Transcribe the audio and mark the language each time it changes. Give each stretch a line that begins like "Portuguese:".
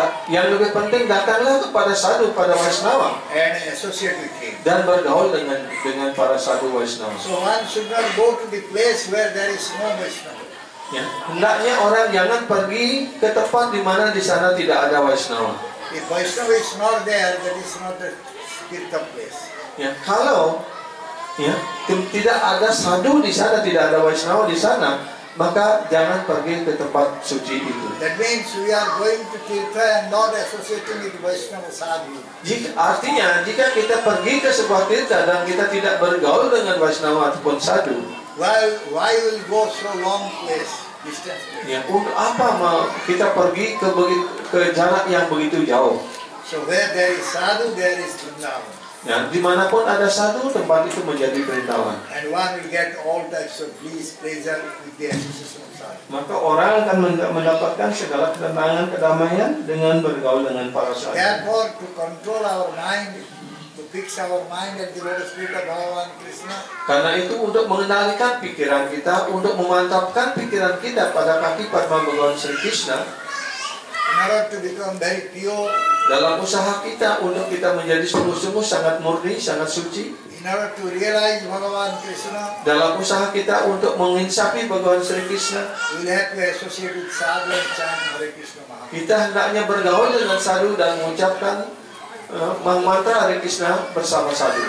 Indonesian: Yang lebih penting datanglah kepada sadhu, pada Vaisnava, dan bergaul dengan para sadhu Vaisnava.
English: So one should not go to the place where there is no Vaisnava.
Indonesian: Hendaknya orang jangan pergi ke tempat di mana di sana tidak ada Vaisnava.
English: If Vaisnava is not there, that is not the tirta place.
Indonesian: Ya, kalau ya tidak ada sadhu di sana, tidak ada Vaisnava di sana, maka jangan pergi ke tempat suci itu.
English: That means we are going to tirtha and not associating with Vaishnava sadhu.
Indonesian: Artinya jika kita pergi ke sebuah tirtha dan kita tidak bergaul dengan Vaishnava ataupun sadhu,
English: well, why will go so long place, distance place?
Indonesian: Ya, untuk apa mau kita pergi ke jarak yang begitu jauh?
English: So where there is sadhu, there is Vrindavan.
Indonesian: Ya, dimanapun ada sadhu, tempat itu menjadi Vrindavan.
English: And one will get all types of bliss, pleasure with the association of sadhu.
Indonesian: Maka orang akan mendapatkan segala ketenangan, kedamaian dengan bergaul dengan para sadhu.
English: Therefore, to control our mind, to fix our mind at the lotus feet of Bhagavan Krishna.
Indonesian: Karena itu untuk mengendalikan pikiran kita, untuk memantapkan pikiran kita pada kaki Padma Bhagavan Sri Krishna.
English: In order to become very pure.
Indonesian: Dalam usaha kita untuk kita menjadi sungguh-sungguh sangat murni, sangat suci.
English: In order to realize Bhagavan Krishna.
Indonesian: Dalam usaha kita untuk menginsafi Bhagavan Sri Krishna.
English: We have to associate with sadhu and chant Hare Krishna Mahamantra.
Indonesian: Kita hendaknya bergaul dengan sadhu dan mengucapkan mantra Hare Krishna bersama sadhu.